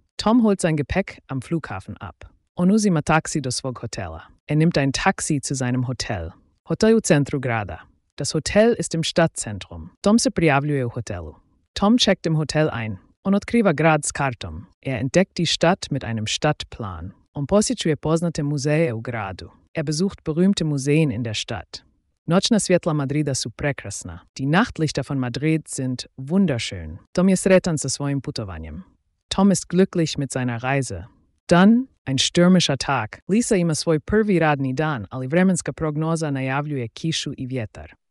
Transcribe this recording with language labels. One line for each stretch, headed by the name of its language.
German: Tom holt sein Gepäck am Flughafen ab.
Croatian: On uzima taksi do svog hotela.
German: Er nimmt ein Taxi zu seinem Hotel.
Croatian: Hotel u centru grada.
German: Das Hotel ist im Stadtzentrum.
Croatian: Tom se prijavljuje u hotelu.
German: Tom checkt im Hotel ein.
Croatian: On otkriva gradskartom.
German: Er entdeckt die Stadt mit einem Stadtplan.
Croatian: On posjećuje poznate muzeje u gradu.
German: Er besucht berühmte Museen in der Stadt.
Croatian: Noćna svjetla Madrida su prekrasna.
German: Die Nachtlichter von Madrid sind wunderschön.
Croatian: Tom je sretan sa svojim putovanjem.
German: Tom ist glücklich mit seiner Reise. Dann ein stürmischer Tag.
Croatian: Lisa ima svoj prvi radni dan, ali vremenska prognoza najavljuje kišu i vjetar.